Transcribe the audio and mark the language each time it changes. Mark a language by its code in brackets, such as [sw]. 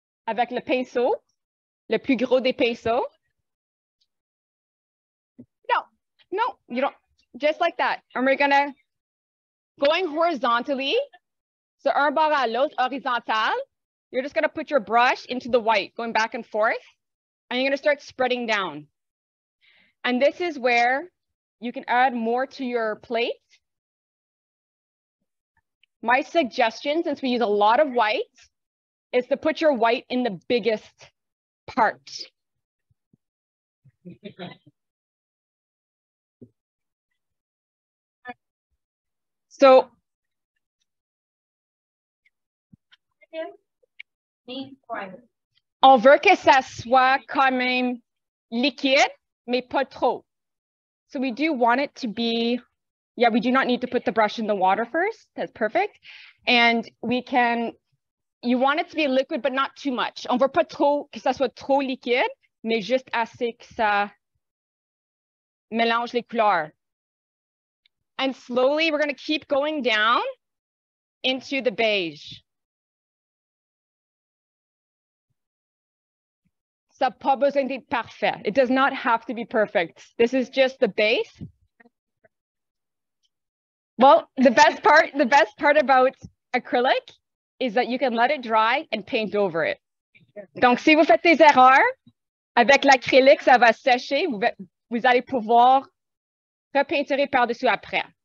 [fr] Avec le pinceau, le plus gros des pinceaux. [en] No, no, you don't, just like that. And we're gonna, going horizontally, so [fr] un bord à l'autre, horizontal, [en] you're just gonna put your brush into the white, going back and forth, and you're gonna start spreading down. And this is where you can add more to your plate. My suggestion, since we use a lot of white, is to put your white in the biggest part. So. [fr] On veut que ça soit quand même liquide, mais pas trop. [en] So we do want it to be, yeah, we do not need to put the brush in the water first. That's perfect. And we can, you want it to be liquid, but not too much. [fr] On veut pas trop que ça soit trop liquide, mais juste assez que ça mélange les couleurs. [en] And slowly, we're gonna keep going down into the beige. [fr] Ça pas besoin d'être parfait. [en] It does not have to be perfect. This is just the base. Well, the best part about acrylic is that you can let it dry and paint over it. [fr] Donc, si vous faites des erreurs, avec l'acrylique, ça va sécher, vous allez pouvoir repeinturer par-dessus après.